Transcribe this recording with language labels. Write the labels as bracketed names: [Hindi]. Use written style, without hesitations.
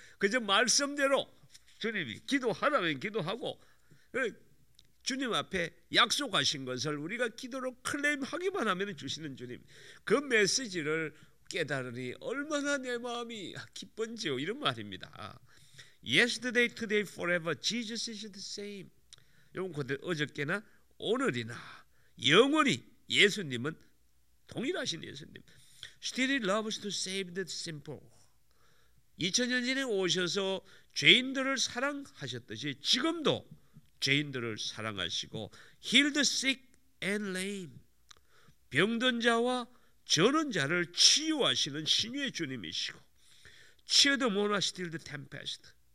[Korean] 그저 말씀대로 주님이 기도하라면 기도하고 주님 앞에 약속하신 것을 우리가 기도로 클레임하기만 하면 주시는 주님 그 메시지를 깨달으니 얼마나 내 마음이 기쁜지요 이런 말입니다. [English] Yesterday, today, forever, Jesus is the same. [Korean] 여러분 어저께나 오늘이나 영원히 예수님은 동일하신 예수님 [English] Still he loves to save the simple. [Korean] 2000년 전에 오셔서 죄인들을 사랑하셨듯이 지금도 죄인들을 사랑하시고 [English] heal the sick and lame [Korean] 병든 자와 저는 자를 치유하시는 신유의 주님이시고 [English] cheer the mourner still the tempest